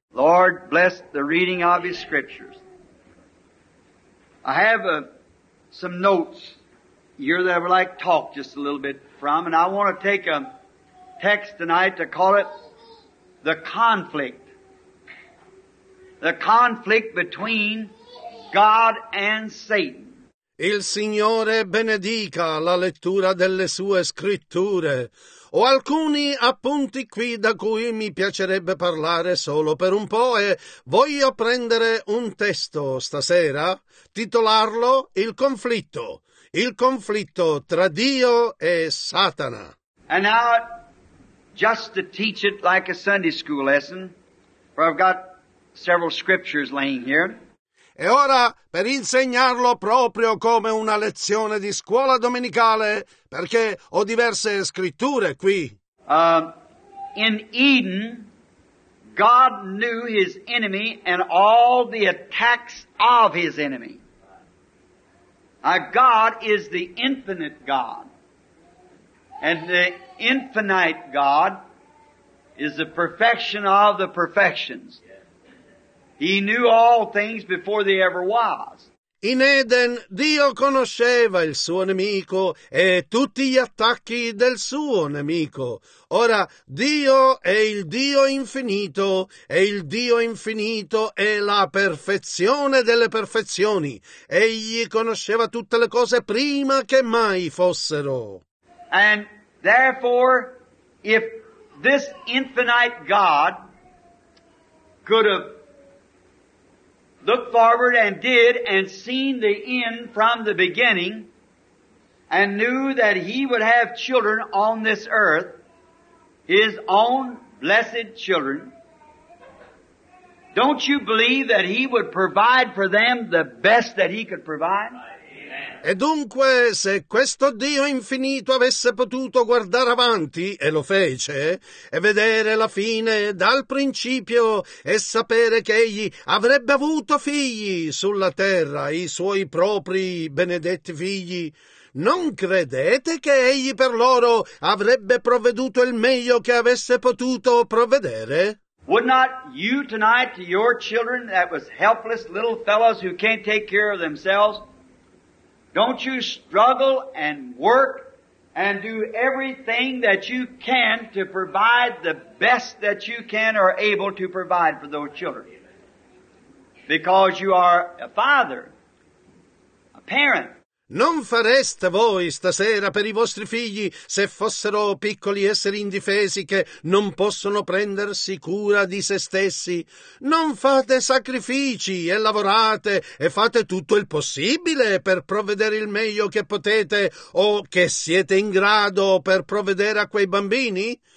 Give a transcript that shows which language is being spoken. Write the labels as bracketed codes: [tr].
[en] Lord, bless the reading of His scriptures. I have some notes here that I would like to talk just a little bit from, and I want to take a text tonight to call it the conflict. The conflict between God and Satan. [it] Il Signore benedica la lettura delle sue scritture. Ho alcuni appunti qui da cui mi piacerebbe parlare solo per un po' e voglio prendere un testo stasera, titolarlo Il conflitto. Il conflitto tra Dio e Satana. [en] And now, just to teach it like a Sunday school lesson, for I've got several scriptures laying here. [it] E ora, per insegnarlo proprio come una lezione di scuola domenicale, perché ho diverse scritture qui. [en] In Eden, God knew his enemy and all the attacks of his enemy. Now, God is the infinite God. And the infinite God is the perfection of the perfections. He knew all things before they ever was. [it] In Eden Dio conosceva il suo nemico e tutti gli attacchi del suo nemico. Ora Dio è il Dio infinito e il Dio infinito è la perfezione delle perfezioni. Egli conosceva tutte le cose prima che mai fossero. [en] And therefore, if this infinite God could have looked forward and did and seen the end from the beginning and knew that he would have children on this earth, his own blessed children, don't you believe that he would provide for them the best that he could provide? [it] E dunque, se questo Dio infinito avesse potuto guardare avanti, e lo fece, e vedere la fine dal principio, e sapere che egli avrebbe avuto figli sulla terra, i suoi propri benedetti figli, non credete che egli per loro avrebbe provveduto il meglio che avesse potuto provvedere? [en] Would not you tonight to your children, that was helpless little fellows who can't take care of themselves, don't you struggle and work and do everything that you can to provide the best that you can or able to provide for those children? Because you are a father, a parent. [it] Non fareste voi stasera per i vostri figli se fossero piccoli esseri indifesi che non possono prendersi cura di se stessi? Non fate sacrifici e lavorate e fate tutto il possibile per provvedere il meglio che potete o che siete in grado per provvedere a quei bambini?